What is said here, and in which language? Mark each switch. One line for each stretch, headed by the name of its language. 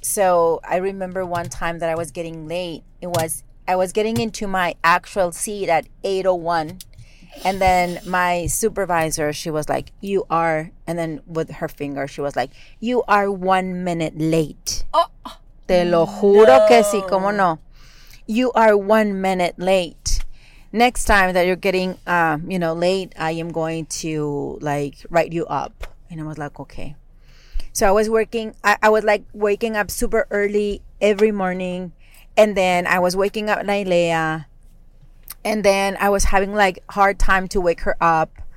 English: So I remember one time that I was getting late. I was getting into my actual seat at 8:01. And then my supervisor, she was like, you are, and then with her finger, she was like, you are 1 minute late. Oh,
Spanish: te lo juro, no, que sí, cómo no.
English: You are 1 minute late. Next time that you're getting, you know, late, I am going to, like, write you up. And I was like, okay. So I was working, I was like waking up super early every morning. And then I was waking up Nailea. And then I was having like hard time to wake her up.